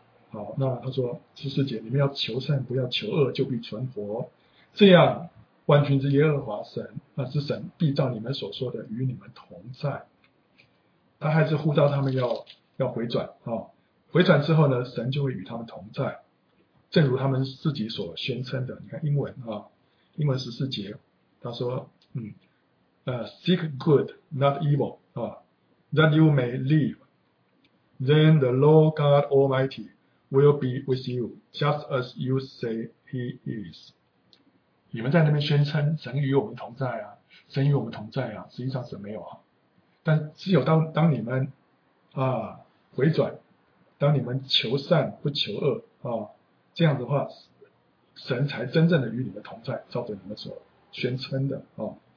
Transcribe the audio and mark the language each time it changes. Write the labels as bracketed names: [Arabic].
[Chinese] 好，那他说十四节，你们要求善，不要求恶，就必存活。这样，万军之耶和华神那之神必照你们所说的与你们同在。他还是呼召他们要回转啊。哦，回转之后呢，神就会与他们同在，正如他们自己所宣称的。你看英文啊，英文十四节，他说， [English] seek good, not evil, that you may live. Then the Lord God Almighty will be with you, just as you say he is. [Chinese] 你们在那边宣称神与我们同在啊，神与我们同在啊，实际上是没有啊。但只有当你们啊回转，当你们求善不求恶啊，这样的话，神才真正的与你们同在，照着你们所宣称的啊。